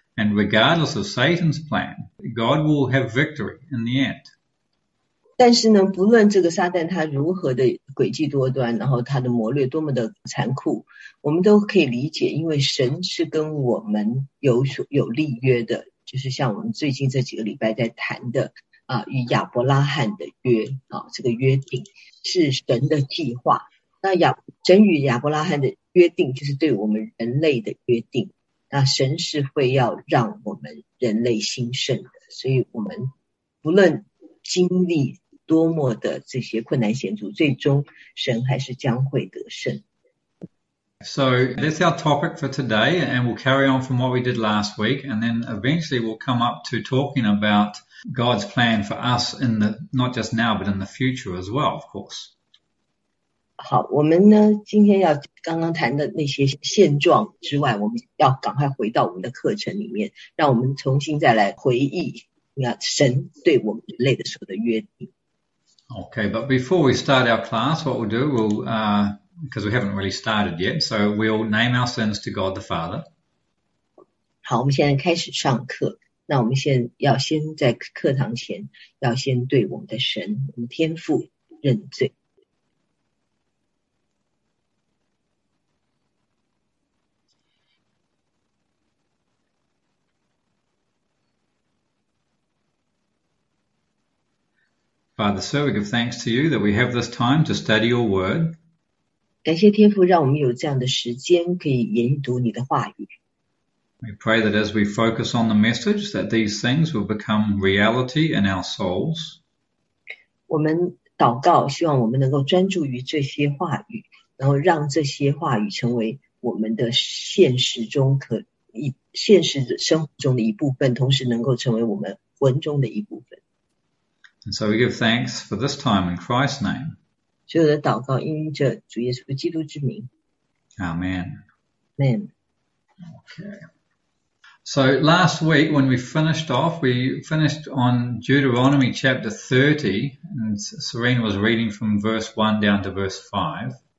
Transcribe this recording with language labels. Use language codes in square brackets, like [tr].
[en] And regardless of Satan's plan, God will have victory in the end. [zh] 但是呢，不论这个撒旦他如何的诡计多端，然后他的谋略多么的残酷，我们都可以理解，因为神是跟我们有立约的，就是像我们最近这几个礼拜在谈的啊，与亚伯拉罕的约啊，这个约定是神的计划。那神与亚伯拉罕的约定，就是对我们人类的约定。那神是会要让我们人类兴盛的，所以我们不论经历多么的这些困难险阻，最终神还是将会得胜。 [en] So that's our topic for today, and we'll carry on from what we did last week, and then eventually we'll come up to talking about God's plan for us in the not just now, but in the future as well, of course. [zh] 好，我们呢，今天要刚刚谈的那些现状之外，我们要赶快回到我们的课程里面，让我们重新再来回忆，那神对我们人类的所有的约定。 [en] Okay, but before we start our class, what we'll do, we'll because we haven't really started yet, so we'll name our sins to God the Father. [zh] 好，我们现在开始上课。那我们现要先在课堂前，要先对我们的神、我们天父认罪。 [en] Father, so we give thanks to you that we have this time to study your word. [zh] 感谢天父，让我们有这样的时间可以研读你的话语。 [en] We pray that as we focus on the message, that these things will become reality in our souls. [zh] 我们祷告，希望我们能够专注于这些话语，然后让这些话语成为我们的现实中可一现实生活中的一部分，同时能够成为我们文中的一部分。 [en] And so we give thanks for this time in Christ's name. [zh] 所有的祷告，因着主耶稣基督之名。 [en] Amen. Amen。 Okay. So last week, when we finished off, we finished on Deuteronomy chapter 30, and Serena was reading from verse 1 down to verse 5.